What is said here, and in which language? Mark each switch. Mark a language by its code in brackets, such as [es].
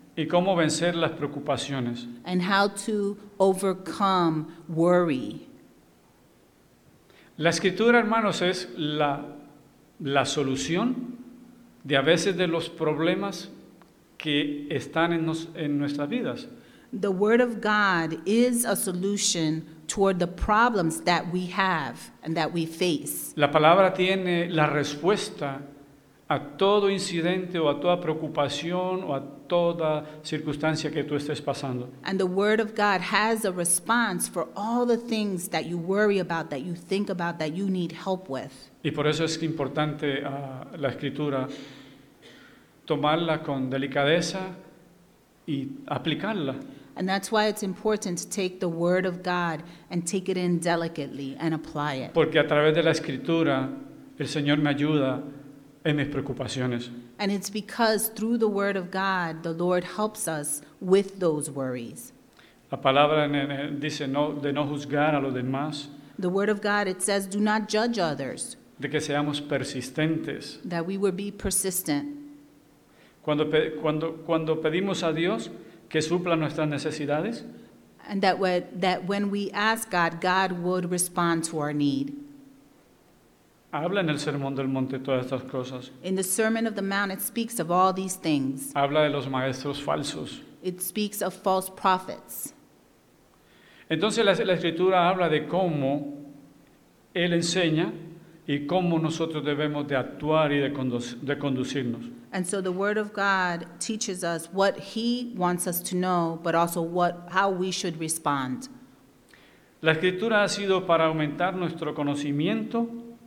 [es] Y cómo vencer las preocupaciones. [en] And how to overcome worry. [es] La escritura, hermanos, es la solución de a veces de los problemas que están en nuestras vidas. [en] The Word of God is a solution toward the problems that we have and that we face. [es] La palabra tiene la respuesta a todo incidente o a toda preocupación o a toda circunstancia que tú estés pasando. [en] And the Word of God has a response for all the things that you worry about, that you think about, that you need help with. [es] Y por eso es importante la Escritura tomarla con delicadeza y aplicarla. [en] And that's why it's important to take the Word of God and take it in delicately and apply it. [es] Porque a través de la Escritura el Señor me ayuda en mis preocupaciones. [en] And it's because through the Word of God, the Lord helps us with those worries. [es] La palabra dice de no juzgar a los demás. [en] The Word of God, it says, do not judge others. [es] De que seamos persistentes. [en] That we will be persistent. [es] Cuando pedimos a Dios que supla nuestras necesidades. [en] And that when we ask God, God would respond to our need. [es] Habla en el Sermón del Monte todas estas cosas. [en] In the Sermon of the Mount, it speaks of all these things. [es] Habla de los maestros falsos. [en] It speaks of false prophets. [es] Entonces la Escritura habla de cómo Él enseña y cómo nosotros debemos de actuar y de conducirnos. [en] And so the Word of God teaches us what He wants us to know, but also how we should respond. [es] La Escritura ha sido para aumentar nuestro conocimiento.